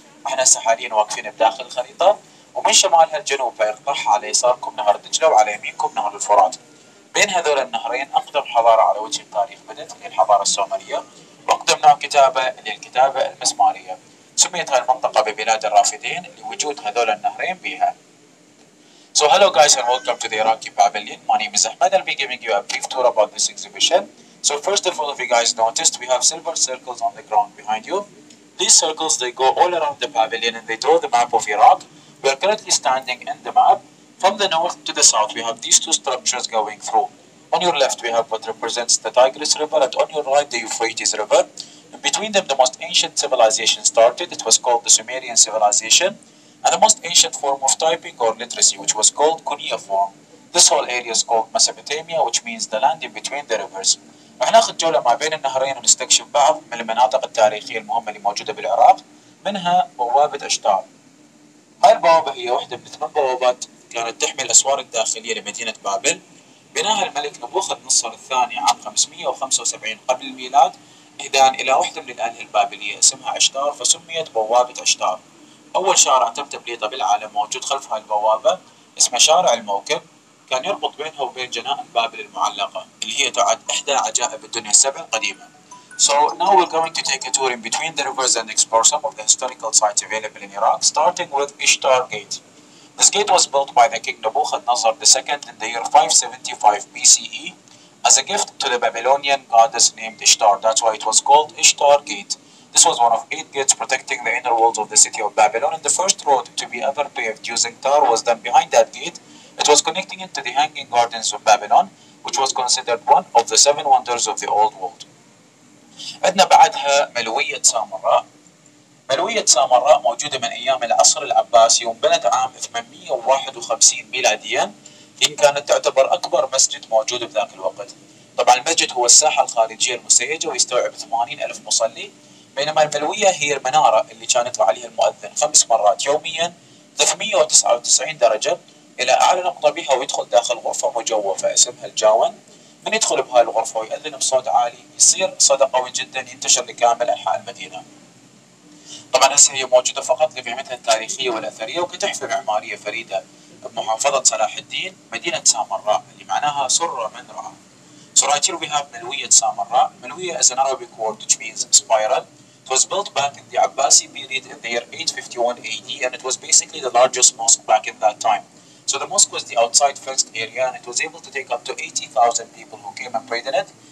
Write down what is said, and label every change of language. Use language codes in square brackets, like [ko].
[ar] احنا هسه حاليا واقفين بداخل الخريطه ومن شمالها الجنوب فيقطع على يساركم نهر دجله وعلى يمينكم نهر الفرات. بين هذول النهرين اقدم حضاره على وجه التاريخ بدات هي الحضاره السومريه، واقدم نوع كتابه اللي هي الكتابه المسماريه. سميت هاي المنطقه ببلاد الرافدين لوجود هذول النهرين بيها. [en] So hello guys and welcome to the Iraqi Pavilion. My name is Ahmed. I'll be giving you a brief tour about this exhibition. So first of all, if you guys noticed, we have silver circles on the ground behind you. These circles, they go all around the pavilion and they draw the map of Iraq. We are currently standing in the map. From the north to the south, we have these two structures going through. On your left, we have what represents the Tigris River, and on your right, the Euphrates River. And between them, the most ancient civilization started. It was called the Sumerian civilization. And the most ancient form of typing or literacy, which was called cuneiform. This whole area is called Mesopotamia, which means the land in between the rivers. [ar] احنا ناخذ جوله ما بين النهرين ونستكشف بعض من المناطق التاريخيه المهمه اللي موجوده بالعراق، منها بوابه اشتار. هاي البوابه هي واحده من 8 بوابات كانت تحمي الاسوار الداخليه لمدينه بابل. بناها الملك نبوخذنصر الثاني عام 575 قبل الميلاد اهدان الى واحده من الالهه البابليه اسمها اشتار، فسميت بوابه اشتار. أول شارع تم تبليطه بالعالم موجود خلف هاي البوابة اسمه شارع الموكب، كان يربط بينها وبين جنائن بابل المعلقة اللي هي تعد إحدى عجائب الدنيا السبع القديمة. [en] So now we're going to take a tour in between the rivers and explore some of the historical sites available in Iraq, starting with Ishtar Gate. This gate was built by the king Nebuchadnezzar II in the year 575 BCE as a gift to the Babylonian goddess named Ishtar. That's why it was called Ishtar Gate. This was one of 8 gates protecting the inner walls of the city of Babylon, and the first road to be ever paved using tar was done behind that gate. It was connecting into the Hanging Gardens of Babylon, which was considered one of the 7 wonders of the old world. [ar] عندنا بعدها ملوية سامراء. ملوية سامراء موجودة من أيام العصر العباسي وانبنت عام 851 ميلاديا، إن كانت تعتبر أكبر مسجد موجود بذاك الوقت. طبعا المسجد هو الساحة الخارجية المسيجة ويستوعب 80,000 مصلي، بينما الملوية هي المنارة اللي كان يطلع عليها المؤذن 5 مرات يوميا 399 درجة إلى أعلى نقطة بها ويدخل داخل غرفة مجوفة اسمها الجاون. من يدخل بهاي الغرفة ويؤذن بصوت عالي يصير صدى قوي جدا ينتشر لكامل أنحاء المدينة. طبعا هسه هي موجودة فقط لقيمتها التاريخية والأثرية وكتحفة معمارية فريدة بمحافظة صلاح الدين مدينة سامراء اللي معناها سرة من رأى. [en] So right here we have Malwiya Samarra. Malwiya is an Arabic word which means spiral. It was built back in the Abbasi period in the year 851 AD and it was basically the largest mosque back in that time. So the mosque was the outside fenced area and it was able to take up to 80,000 people who came and prayed in it.